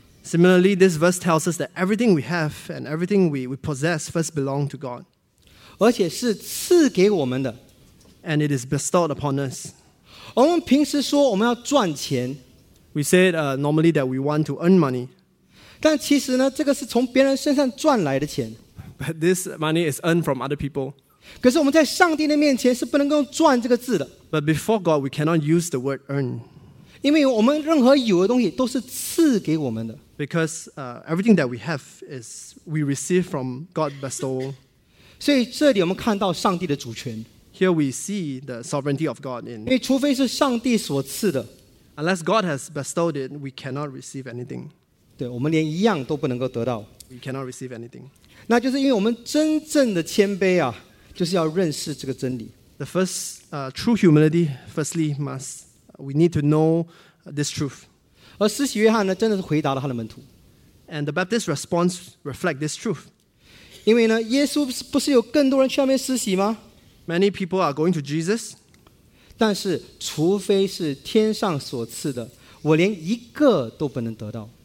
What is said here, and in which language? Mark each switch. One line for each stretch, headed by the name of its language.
English: Similarly, this verse tells us that everything we have and everything we possess first belong to God.
Chinese: 而且是赐给我们的。
English: And it is bestowed upon us.
Chinese: 我们平时说我们要赚钱。
English: We said normally that we want to earn money.
Chinese: 但其实呢，这个是从别人身上赚来的钱。
English: But this money is earned from other people.
Chinese: 可是我们在上帝的面前是不能够赚这个字的。
English: But before God, we cannot use the word earn.
Chinese: 因为我们任何有的东西都是赐给我们的。
English: Because everything that we have is we receive from God bestowal.
Chinese: 所以这里我们看到上帝的主权。
English: Here we see the sovereignty of God in.
Chinese: 因为除非是上帝所赐的。
English: Unless God has bestowed it, we cannot receive anything.
Chinese: 对，我们连一样都不能够得到。
English: We cannot receive anything.
Chinese: 那就是因为我们真正的谦卑啊， 就是要认识这个真理。
English: The first true humility, firstly, must we need to know this truth.
Chinese: 而施洗约翰呢，真的是回答了他的门徒。
English: And the Baptist response reflects this truth.
Chinese: 因为呢，耶稣不是有更多人去那边施洗吗？
English: Many people are going to Jesus.
Chinese: 但是除非是天上所赐的，我连一个都不能得到。